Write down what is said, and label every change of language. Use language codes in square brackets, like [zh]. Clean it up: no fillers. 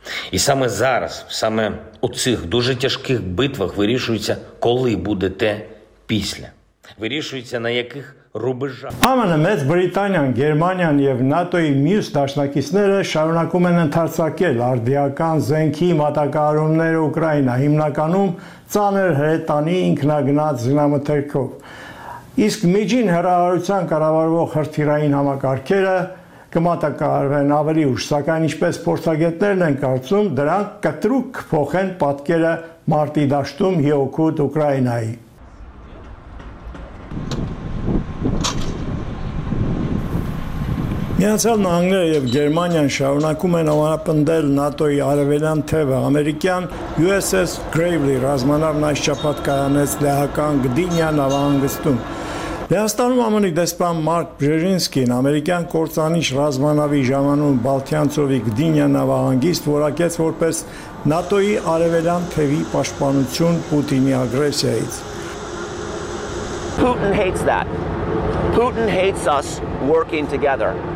[uk] І саме зараз, саме у цих дуже тяжких битвах вирішується, коли буде те після. Вирішується на яких рубежах. [hy] ԱՄՆ, Մեծ Բրիտանիան, Գերմանիան եւ ՆԱՏՕ-ի մյուս դաշնակիցները շարունակում են ընդարձակել արդիական զենքի մատակարարումները Ուկրաինա, հիմնականում ծանր հրետանի ինքնագնաց զինամթերքով։ Իսկ միջին հեռահարության կառավարող հրթիռային համակարգերը կմատակարարվեն ավելի ուշ, սակայն ինչպես փորձագետներն են կարծում, դրանք կտրուկ կփոխեն պատկերը մարտի դաշտում հիօգուտ Ուկրաինայի։ Միացյալ Նահանգները և Գերմանիան շարունակում են ավարապնդել ՆԱՏՕ-ի արևելյան թևը։ Ամերիկյան USS Gravely ռազմանավն այս շաբաթ կայանեց լեհական Գդինյա նավահանգստում։ Լեհաստանում ԱՄՆ-ի դեսպան Մարկ Բրժինսկին ամերիկյան կործանիչ ռազմանավի ժամանում Բալթյան ծովի Գդինյա նավահանգիստ որակեց որպես ՆԱՏՕ-ի արևելյան թևի պաշտպանություն Պուտինի ագրեսիայից։ [en] Putin hates that. Putin hates us working together.